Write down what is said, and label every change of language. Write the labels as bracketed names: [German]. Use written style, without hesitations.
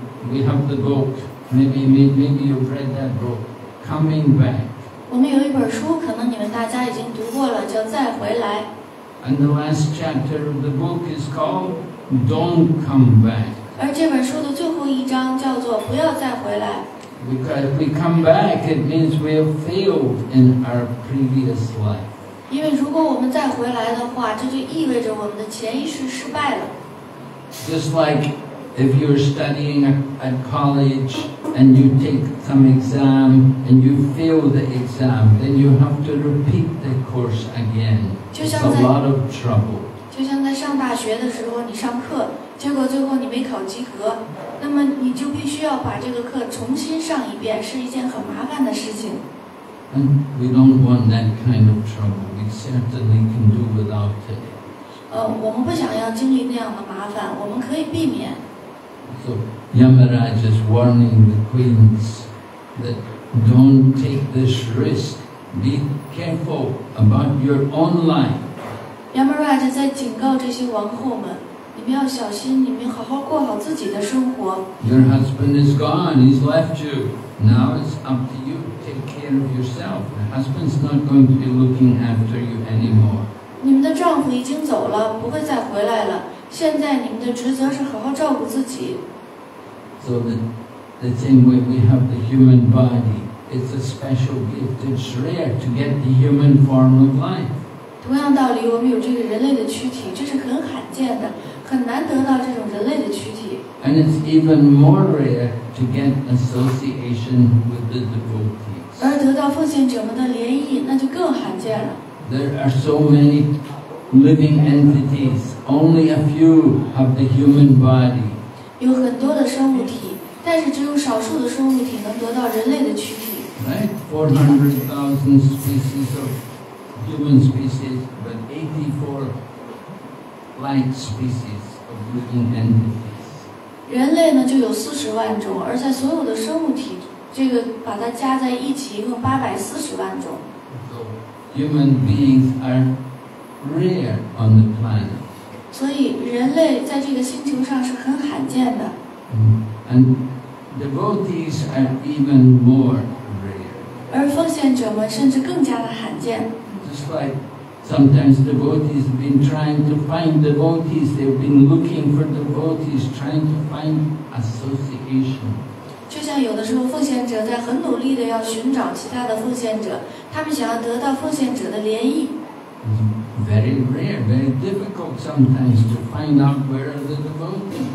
[English] We have the book, maybe you've read that book, Coming Back. [Chinese] 我们有一本书，可能你们大家已经读过了，叫《再回来》。 [English] And the last chapter of the book is called Don't Come Back. [Chinese] 而这本书的最后一章叫做《不要再回来》。 [English] Because if we come back, it means we have failed in our previous life. [Chinese] 因为如果我们再回来的话，这就意味着我们的前一世失败了。 [English] Just like... If you're studying at college and you take some exam and you fail the exam, then you have to repeat the course again. It's a lot of trouble. [Chinese] 就像在上大学的时候，你上课，结果最后你没考及格，那么你就必须要把这个课重新上一遍，是一件很麻烦的事情。 [English] And we don't want that kind of trouble. We certainly can do without it. [Chinese] 我们不想要经历那样的麻烦，我们可以避免。 [English] So Yamaraj is warning the queens that don't take this risk. Be careful about your own life. [Chinese] Yamaraj 在警告这些王后们，你们要小心，你们好好过好自己的生活。 [English] Your husband is gone. He's left you. Now it's up to you. Take care of yourself. Your husband's not going to be looking after you anymore. [Chinese] 你们的丈夫已经走了，不会再回来了。现在你们的职责是好好照顾自己。 [English] So the same way we have the human body, It's a special gift. It's rare to get the human form of life. [Chinese] 同样道理，我们有这个人类的躯体，这是很罕见的，很难得到这种人类的躯体。 [English] And it's even more rare to get association with the devotees. [Chinese] 而得到奉献者们的联谊，那就更罕见了。 [English] There are so many living entities. Only a few have the human body. [Chinese] 有很多的生物体，但是只有少数的生物体能得到人类的躯体。 [English] Right, 400,000 species of human species, but 84 light species of living entities. [Chinese] 人类呢就有400,000种，而在所有的生物体，这个把它加在一起，一共840,000种。 [English] So human beings are rare on the planet. [Chinese] 所以人类在这个星球上是很罕见的。 [English] And devotees are even more rare. [Chinese] 而奉献者们甚至更加的罕见。 [English] Just like sometimes devotees have been trying to find devotees, they've been looking for devotees, trying to find association. [Chinese] 就像有的时候奉献者在很努力地要寻找其他的奉献者，他们想要得到奉献者的联谊。 [English] Very rare, very difficult sometimes to find out where are the devotees.